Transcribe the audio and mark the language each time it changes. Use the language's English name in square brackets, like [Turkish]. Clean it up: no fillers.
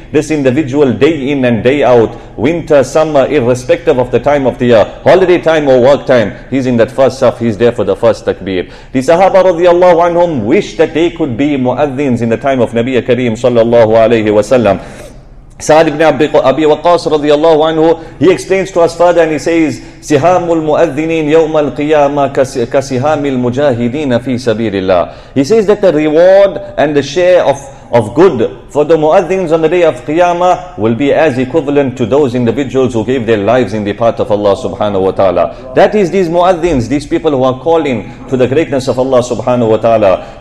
[English] This individual, day in and day out, winter, summer, irrespective of the time of the year, holiday time or work time, he's in that first saf, he's there for the first takbir. The Sahaba radiallahu anhum wish that they could be muadhins in the time of Nabiya Kareem sallallahu alayhi wa sallam. Sa'ad ibn Abi Waqas radiallahu anhu, he explains to us further and he says, [Arabic] سهام المؤذنين يوم القيامة كسهام المجاهدين في سبيل الله. [English] He says that the reward and the share of good for the muaddins on the day of Qiyamah will be as equivalent to those individuals who gave their lives in the path of Allah subhanahu wa ta'ala. That is these muaddins, these people who are calling to the greatness of Allah subhanahu wa ta'ala.